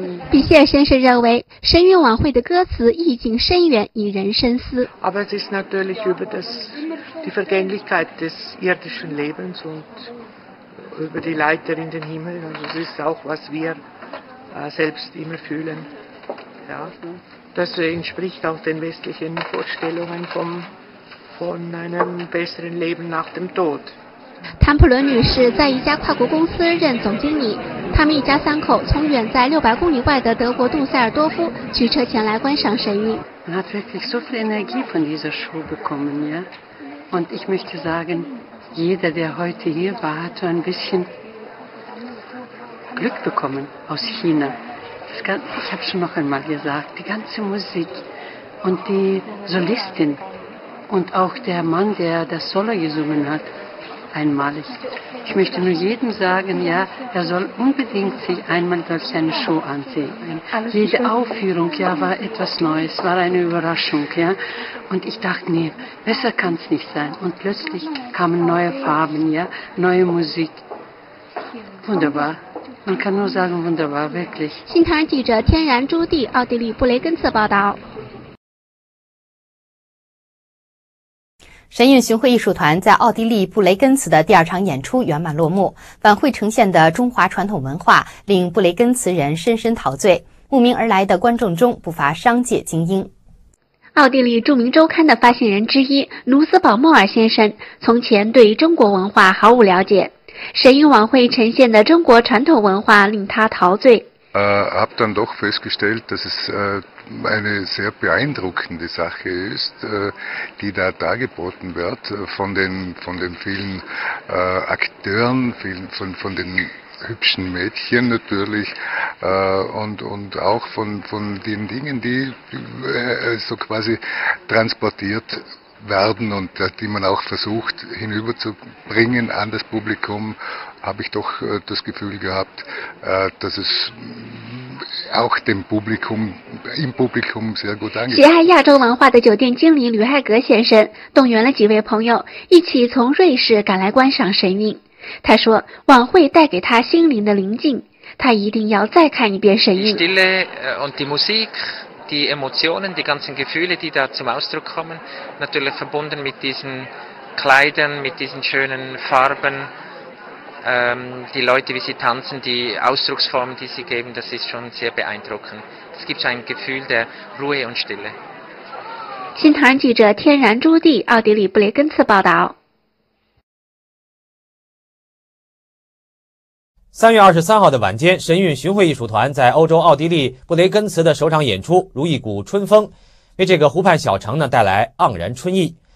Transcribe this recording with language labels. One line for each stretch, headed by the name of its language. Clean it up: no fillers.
Chinese: 比歇尔先生认为，神韵晚会的歌词意境深远，引人深思。
German: Aber es ist natürlich über die Vergänglichkeit des irdischen Lebens und. Über die Leiter in den Himmel, das ist auch, was wir selbst immer fühlen. Ja, das entspricht auch den westlichen Vorstellungen von einem besseren Leben nach dem Tod.
Chinese: 谭普伦女士在一家跨国公司任总经理，他们一家三口从远在600公里外的德国杜塞尔多夫驱车前来观赏神韵。
German: Man hat wirklich so viel Energie von dieser Show bekommen, ja? Und ich möchte sagen,Jeder, der heute hier war, hat so ein bisschen Glück bekommen aus China. Ich habe schon noch einmal gesagt, die ganze Musik und die Solistin und auch der Mann, der das Solo gesungen hat, einmalig. Ich möchte nur jedem sagen, ja, er soll unbedingt sich einmal durch seine Show ansehen. Jede Aufführung, ja, war etwas Neues, war eine Überraschung, ja. Und ich dachte, nee, besser kann es nicht sein. Und plötzlich kamen neue Farben, ja, neue Musik. Wunderbar. Man kann nur sagen, wunderbar, wirklich.
Chinese: 新唐记者天然朱棣，奥地利布雷根茨报道。神韵巡回艺术团在奥地利布雷根茨的第二场演出圆满落幕，晚会呈现的中华传统文化令布雷根茨人深深陶醉，慕名而来的观众中不乏商界精英。奥地利著名周刊的发行人之一卢斯堡莫尔先生从前对中国文化毫无了解，神韵晚会呈现的中国传统文化令他陶醉。
German: Habe dann doch festgestellt, dass es eine sehr beeindruckende Sache ist, die da dargeboten wird von den vielen Akteuren, von den hübschen Mädchen natürlich und auch von den Dingen, die so quasi transportiert werden und die man auch versucht hinüberzubringen an das Publikum, habe ich doch das Gefühl gehabt, dass es auch dem Publikum, im Publikum sehr gut angeht.
Chinese: 喜爱亚洲文化的酒店经理吕海格先生动员了几位朋友一起从瑞士赶来观赏神韵。他说，晚会带给他心灵的宁静，他一定要再看一遍神韵。
German: Die Stille und die Musik. Die Emotionen, die ganzen Gefühle, die da zum Ausdruck kommen, natürlich verbunden mit diesen Kleidern, mit diesen schönen Farben, die Leute, wie sie tanzen, die Ausdrucksformen, die sie geben, das ist schon sehr beeindruckend. Es gibt ein Gefühl der Ruhe und Stille.
Chinese: 新唐人记者天然朱棣，奥地利布雷根茨报道。 3月23号的晚间，神韵巡回艺术团在欧洲奥地利布雷根茨的首场演出如一股春风，为这个湖畔小城呢带来盎然春意。